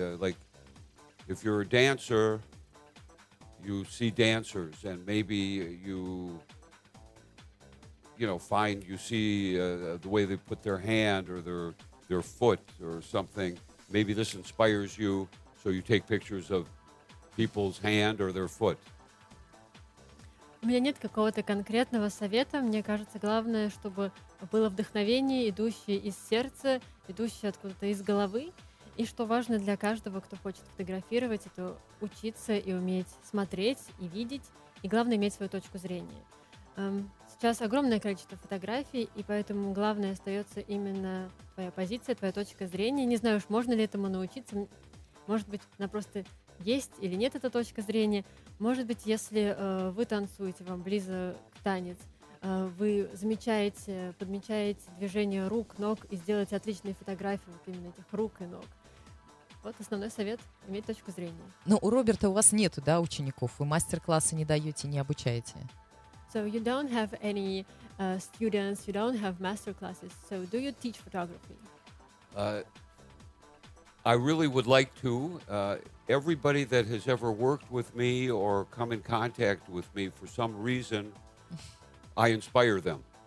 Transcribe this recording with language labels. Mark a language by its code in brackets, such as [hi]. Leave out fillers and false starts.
[en] Like, if you're a dancer, you see dancers, and maybe you see the way they put their hand or their foot or something. Maybe this inspires you, so you take pictures of people's hand or their foot. [ru] У меня нет какого-то конкретного совета. Мне кажется, главное, чтобы было вдохновение, идущее из сердца, идущее откуда-то из головы. И что важно для каждого, кто хочет фотографировать, это учиться и уметь смотреть и видеть. И главное, иметь свою точку зрения. Сейчас огромное количество фотографий, и поэтому главное остается именно твоя позиция, твоя точка зрения. Не знаю уж, можно ли этому научиться. Может быть, она просто есть или нет, эта точка зрения. Может быть, если вы танцуете, вам близок танец, вы замечаете, подмечаете движение рук, ног и сделаете отличные фотографии вот именно этих рук и ног. Вот основной совет — иметь точку зрения. Но у Роберта у вас нету, да, учеников? Вы мастер-классы не даете, не обучаете? [en] So you don't have any students, you don't have master classes. So do you teach photography? I really would like to. Everybody that has ever worked with me or come in contact with me for some reason, I inspire them.